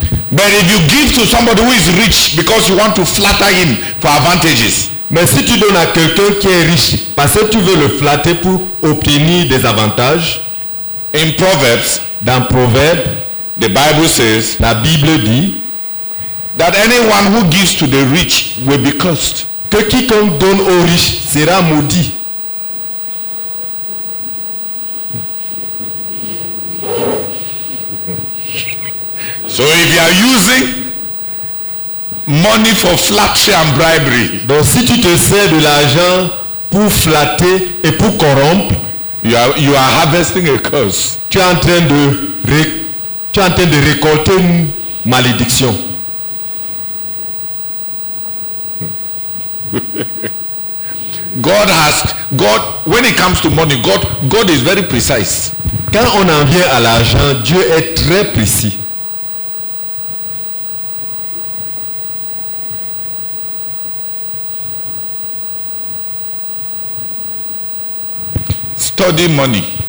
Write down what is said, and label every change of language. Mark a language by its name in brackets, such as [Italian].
[English] But if you give to somebody who is rich because you want to flatter him for advantages. [French] Mais si tu donnes à quelqu'un qui est riche parce que tu veux le flatter pour obtenir des avantages. [English] In Proverbs, [French] dans Proverbes, [English] the Bible says, [French] la Bible dit, [English] that anyone who gives to the rich will be cursed. [French] Que quiconque donne aux riches sera maudit. [English] So if you are using money for flattery and bribery, [French] donc si tu te sers de l'argent pour flatter et pour corrompre, [English] you are harvesting a curse. [French] Tu es en train de récolter une malédiction. [English] God, when it comes to money, God is very precise. [French] Quand on en vient à l'argent, Dieu est très précis. [English] Study money.